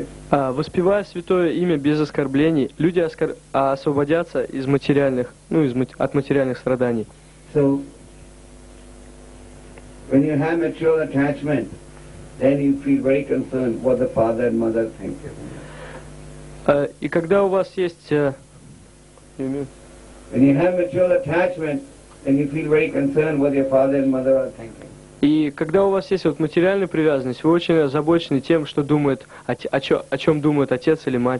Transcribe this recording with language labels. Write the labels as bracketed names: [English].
[Russian] Воспевая святое имя без оскорблений, люди освободятся из материальных, ну, от материальных страданий. [English] So, when you have mature attachment, then you feel very concerned what the father and mother think. [Russian] И когда у вас есть, [English] when you have mature attachment, then you feel very concerned what your father and mother are thinking. [Russian] И когда у вас есть вот материальная привязанность, вы очень озабочены тем, что думает, о чем думает отец или